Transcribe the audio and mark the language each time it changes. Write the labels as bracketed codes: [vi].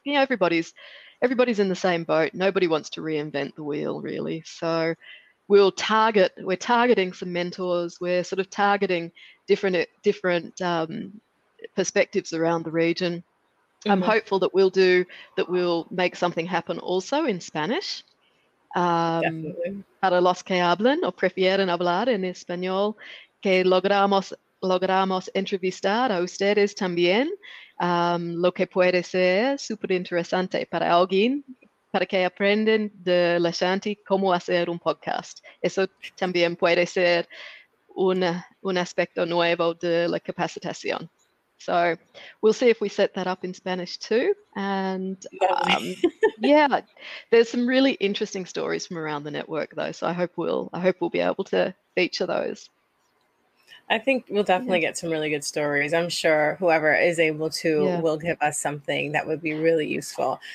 [en] You know, everybody's in the same boat. Nobody wants to reinvent the wheel, really. So we're targeting some mentors. We're sort of targeting different perspectives around the region. Mm-hmm. I'm hopeful that we'll make something happen also in Spanish. Definitely. [es] Para los que hablan o prefieren hablar en español, que logramos entrevistar a ustedes también, lo que puede ser súper interesante para alguien, para que aprendan de la Shanti cómo hacer un podcast. Eso también puede ser un aspecto nuevo de la capacitación. [en] So we'll see if we set that up in Spanish too. And there's some really interesting stories from around the network though. So I hope we'll be able to feature those. I think we'll definitely get some really good stories. I'm sure whoever is able to will give us something that would be really useful.